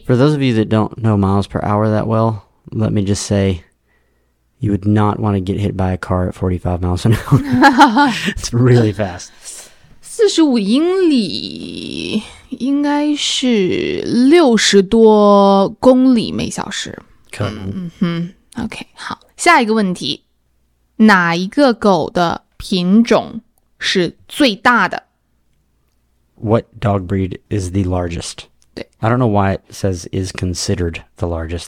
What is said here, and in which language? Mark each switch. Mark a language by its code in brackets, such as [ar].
[en] For those of you that don't know miles per hour that well, let me just say. You would not want to get hit by a car at 45 miles an hour. It's really fast. [zh] 45英里应该是60多公里每小时。可能。 OK, 好。下一个问题。哪一个狗的品种是最大的？ [en] What dog breed is the largest? [zh] 对。 [en] I don't know why it says is considered the largest.